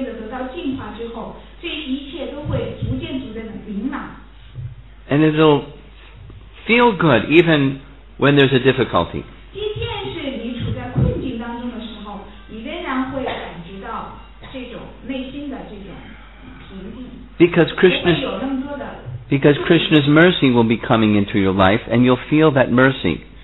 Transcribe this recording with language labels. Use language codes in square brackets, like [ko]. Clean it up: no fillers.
[zh] 到净化之后，这一切都会逐渐逐渐的明朗。 [en] And it'll feel good even when there's a difficulty. [zh] 即便是你处在困境当中的时候，你仍然会感觉到这种内心的这种 [en] Because Krishna's mercy will be coming into your life and you'll feel that mercy.